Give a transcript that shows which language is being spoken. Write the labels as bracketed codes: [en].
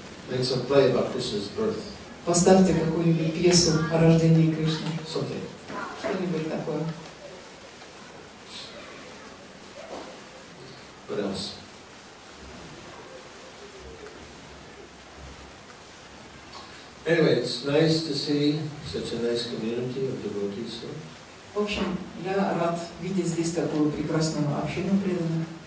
[en] Make some play about Krishna's birth. [ru] Поставьте какую-нибудь пьесу о рождении Кришны. [en] Something. [ru] Что-нибудь такое. [en] What else? Anyway, it's nice to see such a nice community of devotees here. [ru] В общем, я рад видеть здесь такую прекрасную общину преданных.